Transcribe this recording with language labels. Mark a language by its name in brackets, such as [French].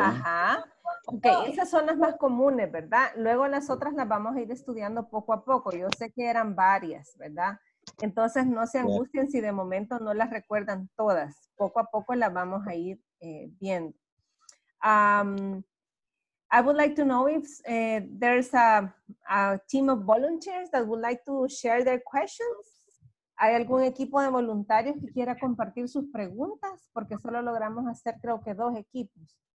[Spanish] Ajá. Ok, esas son las más comunes, ¿verdad? Luego las otras las vamos a ir estudiando poco a poco. Yo sé que eran varias, ¿verdad? Entonces no se angustien si de momento no las recuerdan todas. Poco a poco las vamos a ir viendo. [English] I would like to know if there's a team of volunteers that would like to share their questions. [Spanish] ¿Hay algún equipo de voluntarios que quiera compartir sus preguntas? Porque solo logramos hacer creo que dos equipos.